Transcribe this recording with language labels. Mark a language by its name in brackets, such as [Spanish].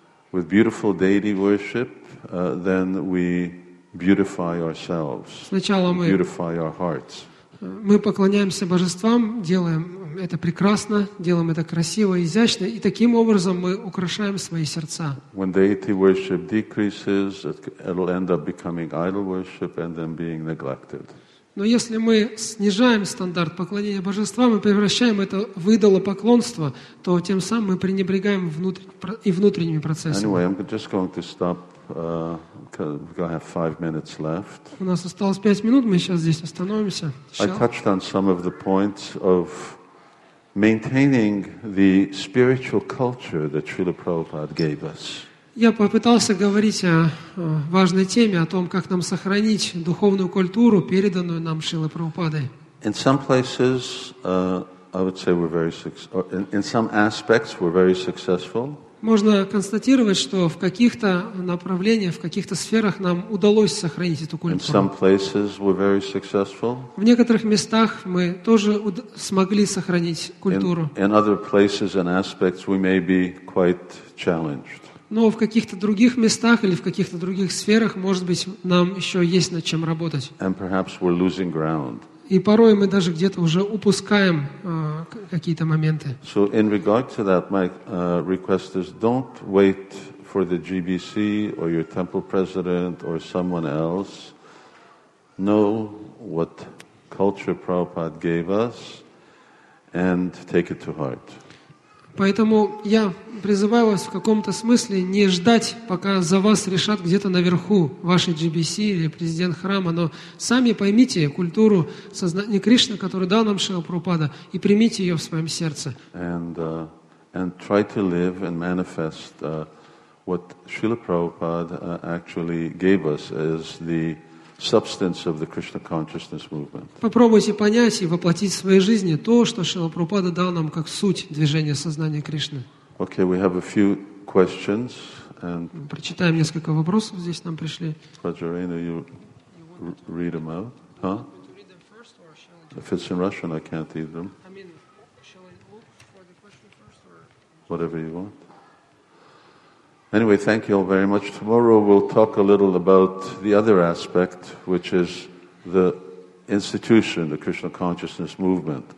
[English] With beautiful deity worship, then we beautify ourselves. [Russian] Сначала мы [English] beautify our hearts. [Russian] Мы поклоняемся божествам, делаем это прекрасно, делаем это красиво, изящно, и таким образом мы украшаем свои сердца. [English] When deity worship decreases, it'll end up becoming idol worship and then being neglected. [Russian] Но если мы снижаем стандарт поклонения божествам и превращаем это в идолопоклонство, то тем самым мы пренебрегаем внутренними процессами. [English] Anyway, I'm just going to stop. I have 5 minutes left. [Russian] У нас осталось 5 минут, мы сейчас здесь остановимся. [English] I touched on some of the points of maintaining the spiritual culture that Srila Prabhupada gave us. [Russian] Я попытался говорить о важной теме, о том, как нам сохранить духовную культуру, переданную нам Шрилой Прабхупадой. [English] In some places, I would say we're very successful. In some aspects, we're very successful. [Russian] Можно констатировать, что в каких-то направлениях, в каких-то сферах нам удалось сохранить эту культуру. [English] In some places we're very successful. [Russian] В некоторых местах мы тоже смогли сохранить культуру. [English] In other places and aspects we may be quite challenged. [Russian] Но в каких-то других местах или в каких-то других сферах, может быть, нам еще есть над чем работать. [English] And perhaps we're losing ground. [Russian] И порой мы даже где-то уже упускаем какие-то моменты. [English] So in regard to that, my request is don't wait for the GBC or your temple president or someone else. Know what culture Prabhupada gave us and take it to heart. [Russian] Поэтому я призываю вас в каком-то смысле не ждать, пока за вас решат где-то наверху ваши GBC или президент храма, но сами поймите культуру сознания Кришны, которую дал нам Шрила Прабхупада, и примите ее в своем сердце. [English] And try to live and manifest what Srila Prabhupada actually gave us as the substance of the Krishna consciousness movement. [Russian] Попробуйте понять и воплотить в своей жизни то, что Шрила Прабхупада дал нам как суть движения сознания Кришны. [English] Okay, we have a few questions. [Russian] Прочитаем несколько вопросов, здесь нам пришли. [English] Rajarina, you read them out? Huh? You want to read them first, or shall I do it? If it's in Russian, I can't read them. I mean, shall I look for the question first, or? Whatever you want. Anyway, thank you all very much. Tomorrow we'll talk a little about the other aspect, which is the institution, the Krishna consciousness movement.